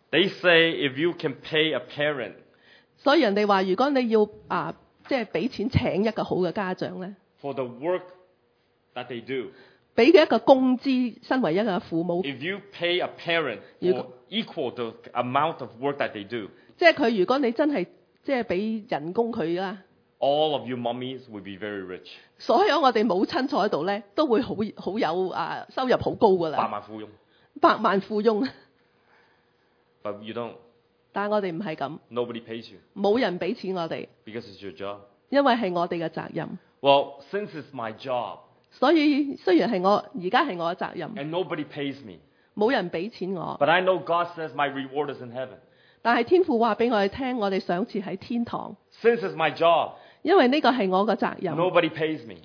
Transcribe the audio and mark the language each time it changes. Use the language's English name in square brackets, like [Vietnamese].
[English] They say if you can pay a parent, [Cantonese] 所以人哋话，如果你要即係俾錢請一個好嘅家長咧 [English] ？For the work that they do， [Cantonese] 俾一個工資，身為一個父母。 [English] If you pay a parent for equal the amount of work that they do， [Cantonese] 即係佢如果你真係即係俾人工佢啦。 [English] All of you mummies would be very rich。 [Cantonese] 所有我哋母親坐喺度咧，都會好好有啊收入好高噶啦。百萬富翁。百萬富翁。 [English] But you don't。 [Cantonese] 但我哋唔係咁。 [English] Nobody pays you。 [Cantonese] 冇人俾錢我哋。 [English] Because it's your job。 [Cantonese] 因為係我哋嘅責任。 [English] Well, since it's my job。 [Cantonese] 所以雖然係我而家係我嘅責任。 [English] And nobody pays me。 [Cantonese] 冇人俾錢我。 [English] But I know God says my reward is in heaven。 [Cantonese] 但係天父話俾我哋聽，我哋賞賜喺天堂。 [English] Since it's my job。 [Cantonese] 因為呢個係我嘅責任。 [English] Nobody pays me。